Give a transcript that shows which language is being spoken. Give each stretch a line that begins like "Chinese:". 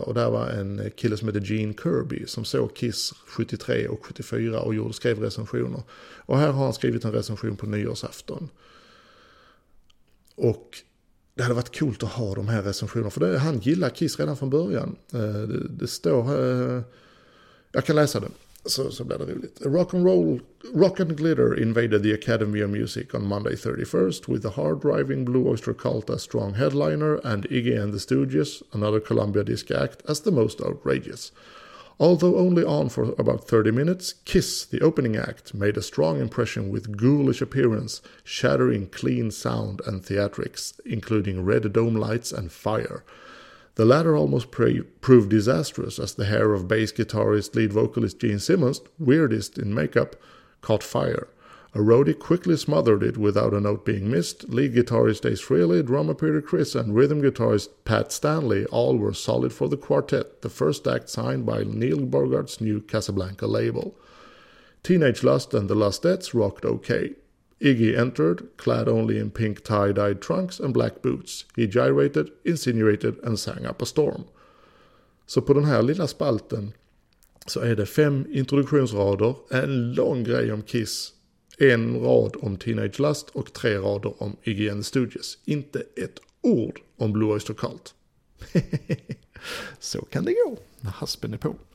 Swedish: Och där var en kille som hette Gene Kirby som såg Kiss 73 och 74 och skrev recensioner. Och här har han skrivit en recension på nyårsafton. Och det hade varit coolt att ha de här recensionerna, för han gillar Kiss redan från början. Det står här, jag kan läsa det. så blir det roligt.
English: Rock and roll, Rock and Glitter invaded the Academy of Music on Monday 31st with the hard-driving Blue Oyster Cult as strong headliner and Iggy and the Stooges, another Columbia disc act, as the most outrageous. Although only on for about 30 minutes, Kiss, the opening act, made a strong impression with ghoulish appearance, shattering clean sound and theatrics, including red dome lights and fire. The latter almost proved disastrous as the hair of bass guitarist lead vocalist Gene Simmons, weirdest in makeup, caught fire. A roadie quickly smothered it without a note being missed. Lead guitarist Ace Frehley, drummer Peter Criss, and rhythm guitarist Pat Stanley all were solid for the quartet, the first act signed by Neil Bogart's new Casablanca label. Teenage Lust and the Lustettes rocked okay. Iggy entered, clad only in pink tie-dyed trunks and black boots. He gyrated, insinuated and sang up a storm.
Swedish: Så på den här lilla spalten så är det 5 introduktionsrader, en lång grej om Kiss, en rad om Teenage Lust och 3 rader om Iggy and the Stooges. Inte ett ord om Blue Oyster Cult. Så kan det gå när haspen är på.